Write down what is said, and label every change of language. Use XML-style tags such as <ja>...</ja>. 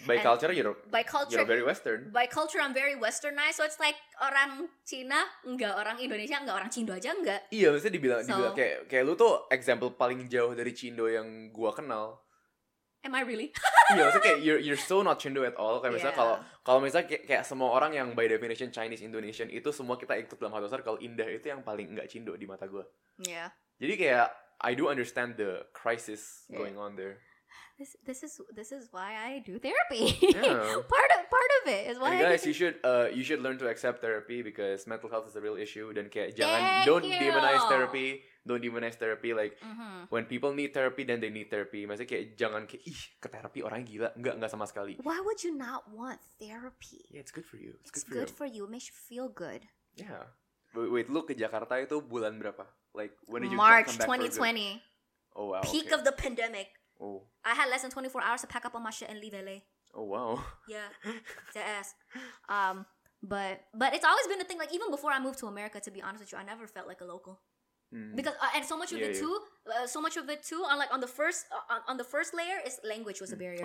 <en>By culture, you're very Western. By culture, I'm very Westernized. So it's like</en> <id>orang Cina, enggak orang Indonesia, enggak orang Chindo aja, enggak. Iya, maksudnya dibilang kayak lu tuh</id> <en>example</en> <id>paling jauh dari Chindo yang gua kenal.</id> <en>Am I really?</en> <id>Iya, maksudnya kayak</id> <en>you're so not Chindo at all.</en> <id>Kayak misalnya kalau misalnya kayak semua orang yang</id> <en>by definition</en> <id>Chinese, Indonesian, itu semua kita ikut dalam satu circle. Indah itu yang paling enggak Chindo di mata gua. Iya.</id> <en>Yeah.</en> <id>Jadi kayak</id> <en>I do understand the crisis going on there. This is why I do therapy. part of it is why. And guys, I do... you should learn to accept therapy because mental health is a real issue. Then don't demonize therapy. Don't demonize therapy. Like when people need therapy, then they need therapy.</en> <id>Maksudnya kayak jangan kayak ih ke terapi orang gila, enggak sama sekali.</id> <en>Why would you not want therapy? Yeah, it's good for you. It's good for you. It makes you feel good. Yeah. Wait,</en> <id>lu ke Jakarta itu bulan berapa?</id> <en>Like when did you March come back 2020. Oh wow. Peak okay. of the pandemic. Oh. I had less than 24 hours to pack up all my shit and leave LA. Oh wow. Yeah. The ass. But it's always been a thing. Like even before I moved to America, to be honest with you, I never felt like a local. Mm. Because and so much of it too. On like on the first layer is language was a barrier.</en>